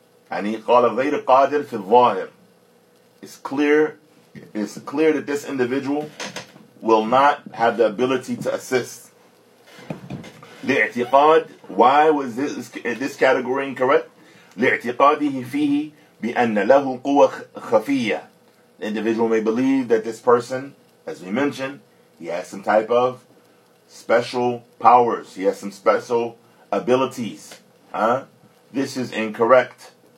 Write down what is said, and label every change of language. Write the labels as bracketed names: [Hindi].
[English] And he called [Arabic] غير قادر في الظاهر. [English] It's clear that this individual will not have the ability to assist. لاعتقاد, why was this category incorrect? [Arabic] لاعتقاده فيه بأن له قوة خفية. [English] The individual may believe that this person, as we mentioned, he has some type of special powers. He has some special abilities. This is incorrect.